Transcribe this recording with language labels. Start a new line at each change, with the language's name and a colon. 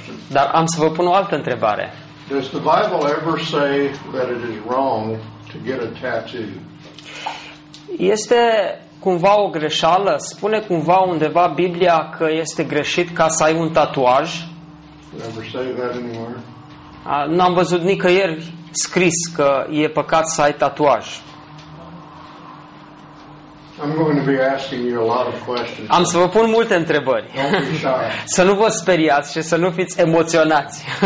Romanian: Dar am să vă pun o altă întrebare.
English: Does the Bible ever say that it is wrong to get a tattoo?
Romanian: Este cumva o greșeală? Spune cumva undeva Biblia că este greșit ca să ai un tatuaj?
English: Never say that anymore.
Romanian: N-am văzut nicăieri scris că e păcat să ai tatuaj.
English: I'm going to be asking you a lot of questions.
Romanian: Am să vă pun multe întrebări. Să nu vă speriați și să nu fiți emoționați.